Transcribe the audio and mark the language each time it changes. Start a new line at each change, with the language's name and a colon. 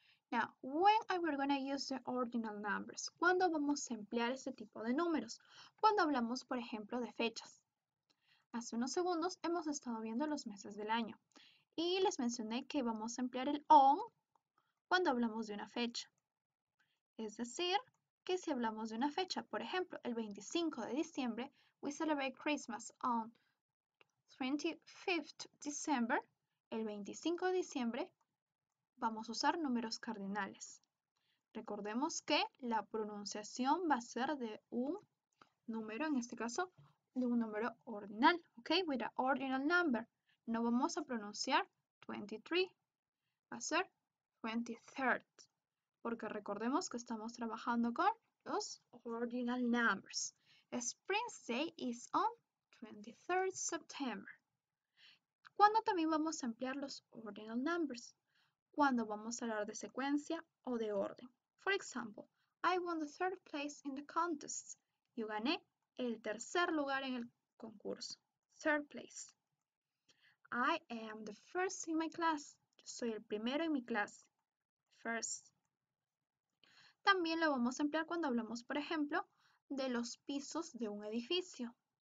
English: Now, when are we going to use the ordinal numbers?
Spanish: ¿Cuándo vamos a emplear este tipo de números? Cuando hablamos, por ejemplo, de fechas. Hace unos segundos hemos estado viendo los meses del año y les mencioné que vamos a emplear el on cuando hablamos de una fecha. Es decir, que si hablamos de una fecha, por ejemplo, el 25 de diciembre,
English: we celebrate Christmas on 25th December,
Spanish: el 25 de diciembre vamos a usar números cardinales. Recordemos que la pronunciación va a ser de un número, en este caso, de un número ordinal, ¿ok?
English: With an ordinal number.
Spanish: No vamos a pronunciar 23, va a ser 23rd, porque recordemos que estamos trabajando con los ordinal numbers.
English: Spring Day is on 23rd September.
Spanish: ¿Cuándo también vamos a emplear los ordinal numbers? Cuando vamos a hablar de secuencia o de orden.
English: For example, I won the third place in the contest.
Spanish: Yo gané el tercer lugar en el concurso.
English: Third place. I am the first in my class.
Spanish: Yo soy el primero en mi clase. First. También lo vamos a emplear cuando hablamos, por ejemplo, de los pisos de un edificio.